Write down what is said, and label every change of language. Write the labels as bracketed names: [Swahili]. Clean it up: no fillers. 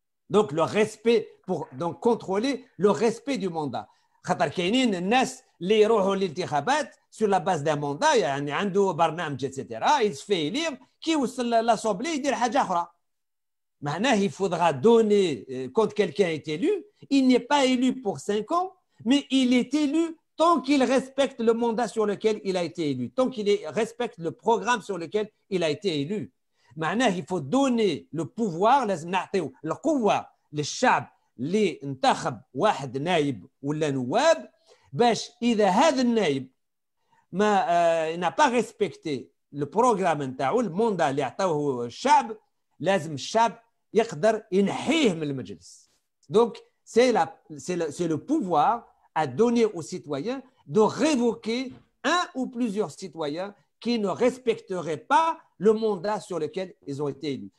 [French] Donc le respect pour donc contrôler le respect du mandat. [Arabic] خاطر كاينين الناس اللي يروحوا للانتخابات [French] sur la base d'un mandat, [Arabic] يعني عنده برنامج etc. [French] Il se fait élire, qui وصل l'assemblée [Arabic] يدير حاجة أخرى. [French] معناه il faudra donner quand quelqu'un est élu, il n'est pas élu pour 5 ans, mais il est élu tant qu'il respecte le mandat sur lequel il a été élu, tant qu'il respecte le programme sur lequel il a été élu. [Arabic] معناه [French] il faut donner le pouvoir [Arabic] لازم نعطيو القوة للشعب اللي انتخب واحد نائب ولا نواب باش إذا هذا النائب ما [French] n'a pas respecté le programme [Arabic] نتاعو الموندا اللي عطاوه الشعب لازم الشعب يقدر ينحيه من المجلس. [French] Donc c'est le pouvoir à donner aux citoyens de révoquer un ou plusieurs citoyens qui ne respecteraient pas le mandat sur lequel ils ont été élus.